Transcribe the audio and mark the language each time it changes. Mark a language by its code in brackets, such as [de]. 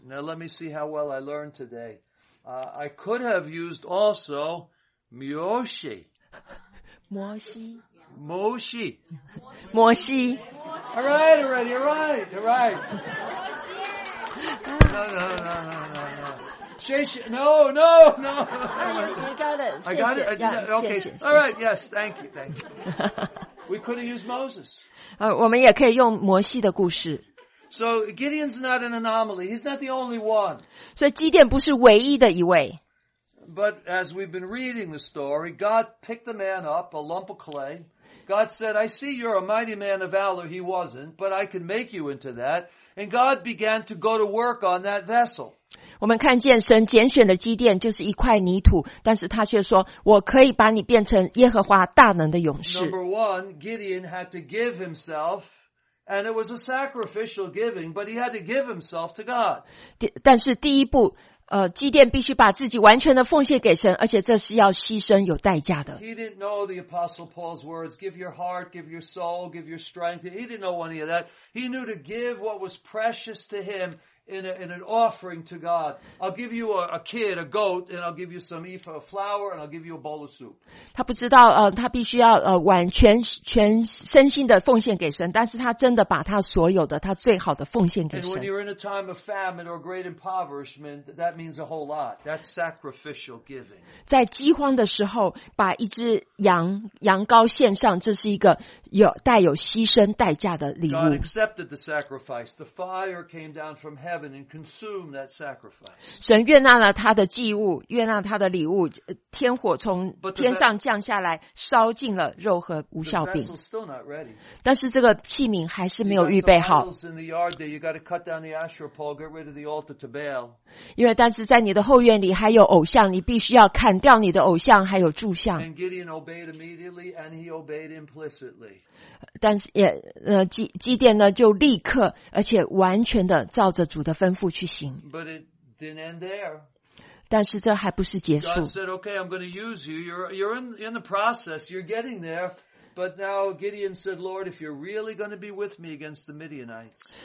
[en] Now let me see how well I learned today. I could have used also Moshe. Moshe. Moshe. All right. No. No. I got it. Yeah, okay. All right. Yes. Thank you. We could have used Moses. [zh] 我们也可以用摩西的故事。 [en] So Gideon's not an anomaly. He's not the only one. [zh] 所以基甸不是唯一的一位。 [en] But as we've been reading the story, God picked the man up, a lump of clay. God said, I see you're a mighty man of valor. He wasn't, but I can make you into that. And God began to go to work on that vessel. [zh] 我们看见神拣选的基甸就是一块泥土，但是他却说，我可以把你变成耶和华大能的勇士。 [en] Number one, Gideon had to give himself, and it was a sacrificial giving, but he had to give himself to God. [zh] 但是第一步基甸必须把自己完全的奉献给神，而且这是要牺牲有代价的。 [en] He didn't know the Apostle Paul's words, give your heart, give your soul, give your strength. He didn't know any of that. He knew to give what was precious to him in an offering to God. I'll give you a kid, a goat, and I'll give you some ephah flour, and I'll give you a bowl of soup. [zh] 他不知道他必须要完全身心的奉献给神，但是他真的把他所有的他最好的奉献给神。 [en] And when you're in a time of famine or great impoverishment, that means a whole lot. That's sacrificial giving. [zh] 在饥荒的时候把一只羊羔献上，这是一个有带有牺牲代价的礼物。 [en] God accepted the sacrifice. The fire came down from heaven and consumed that sacrifice. [zh] 神悦纳了他的祭物，悦纳他的礼物，天火从天上降下来，烧尽了肉和无效饼。 [en] The vessel still not ready. [zh] 但是这个器皿还是没有预备好。 [en] You got some idols in the yard there. You got to cut down the Asherah pole, get rid of the altar to Baal. [zh] 因为但是在你的后院里还有偶像，你必须要砍掉你的偶像，还有柱像。 [en] And Gideon obeyed immediately, and he obeyed implicitly. [zh] 但是也基甸呢就立刻而且完全的照着主的吩咐去行。 [en] But it didn't end there. [zh] 但是这还不是结束。 [en] God said, okay, I'm going to use you. You're in the process. You're getting there. But now Gideon said, Lord, if you're really going to be with me against the Midianites.